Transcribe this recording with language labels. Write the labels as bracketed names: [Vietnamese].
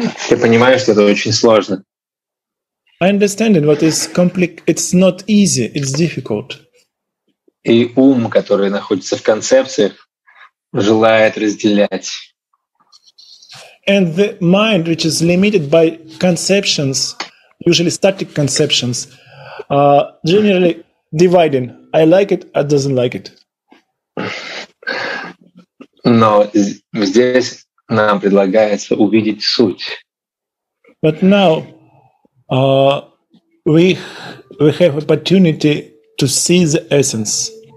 [Russian] Я понимаю, что это очень сложно. [English] I understand it, but it's not easy, it's difficult. [Russian] И ум, который находится в концепциях, желает разделять. [English] And the mind, which is limited by conceptions, usually static conceptions, generally dividing. I like it, I doesn't like it. [Russian] Но здесь нам предлагается увидеть суть. [English] But now we have opportunity to see the essence.